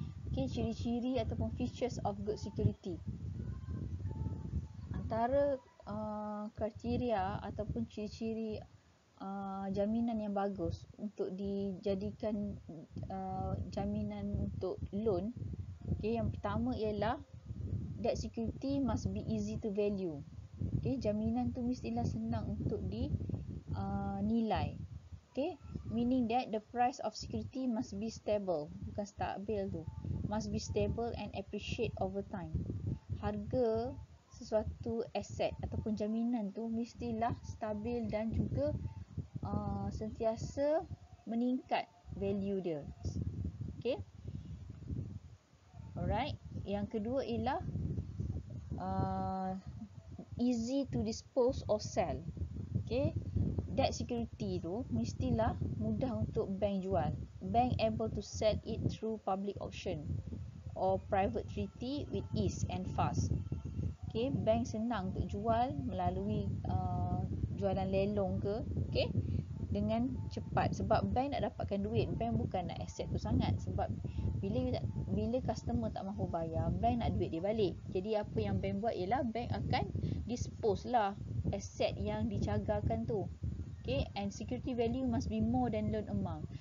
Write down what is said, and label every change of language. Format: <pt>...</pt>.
<ms>Okay, ciri-ciri ataupun</ms> <en>features of good security.</en> <ms>Antara kriteria ataupun ciri-ciri jaminan yang bagus untuk dijadikan jaminan untuk loan.</ms> <en>Okay,</en> <ms>yang pertama ialah</ms> <en>that security must be easy to value.</en> <ms>Okay, jaminan tu mestilah senang untuk dinilai.</ms> <en>Okay, meaning that the price of security must be stable,</en> <ms>bukan stabil tu,</ms> <en>must be stable and appreciate over time.</en> <ms>Harga sesuatu aset ataupun jaminan tu mestilah stabil dan juga sentiasa meningkat value dia.</ms> <en>Okay, alright.</en> <ms>Yang kedua ialah</ms> <en>easy to dispose or sell.</en> <ms>Okay, debt security tu mestilah mudah untuk bank jual.</ms> <en>Bank able to sell it through public auction or private treaty with ease and fast.</en> <ms>Okay, bank senang untuk jual melalui jualan lelong ke, okay, dengan cepat sebab bank nak dapatkan duit. Bank bukan nak aset tu sangat, sebab bila customer tak mahu bayar, bank nak duit dia balik. Jadi apa yang bank buat ialah bank akan dispose lah aset yang dicagarkan tu.</ms> <en>Okay, and security value must be more than loan amount.</en>